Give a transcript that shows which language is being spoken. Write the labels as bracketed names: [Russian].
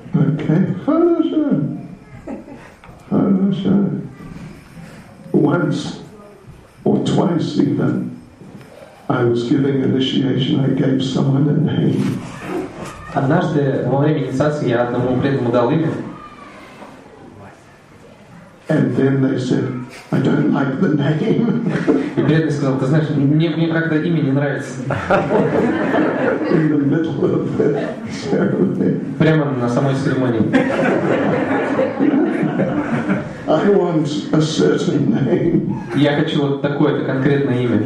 [English] Okay, [Russian] хорошо. Хорошо. [English] Once or twice even, I was giving initiation, I gave someone a name. [Russian] Однажды во время инициации я одному преданному дал имя. [English] And then they said, "I don't like the name." [Russian] И преданный сказал, ты знаешь, мне как-то имя не нравится. [English] In the middle of the ceremony. [Russian] Прямо на самой церемонии. [English] I want a certain name. [Russian] Я хочу вот такое-то конкретное имя.